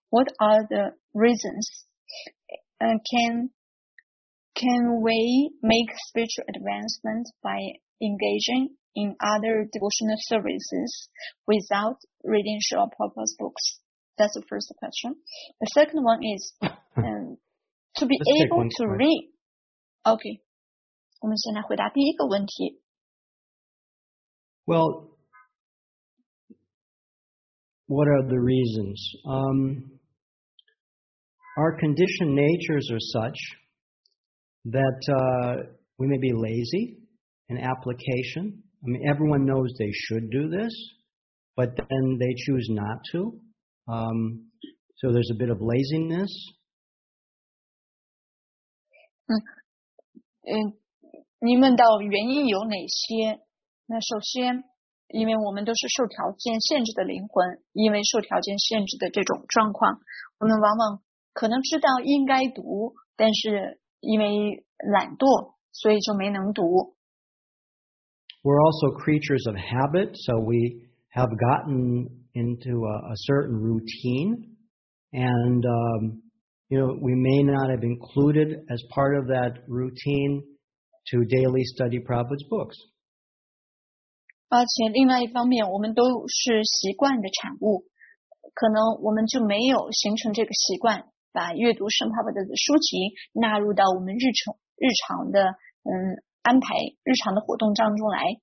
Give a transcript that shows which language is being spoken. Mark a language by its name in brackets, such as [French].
[English] What are the reasons? Can we make spiritual advancement by engaging in other devotional services without reading Srila Prabhupada's books? That's the first question. The second one is, to be able to read. Okay. [Chinese] 我们先来回答第一个问题。 [English] Well, what are the reasons? Our conditioned natures are such that, we may be lazy in application. I mean, everyone knows they should do this, but then they choose not to. So there's a bit of laziness. [Chinese] 你问到原因有哪些？那首先，因为我们都是受条件限制的灵魂，因为受条件限制的这种状况，我们往往可能知道应该读，但是因为懒惰，所以就没能读。 [English] We're also creatures of habit, so we have gotten into a certain routine, and, you know, we may not have included as part of that routine to daily study Prabhupada's books. [Chinese] 而且另外一方面，我们都是习惯的产物，可能我们就没有形成这个习惯，把阅读圣帕帕的书籍纳入到我们日常的安排日常的活动当中来。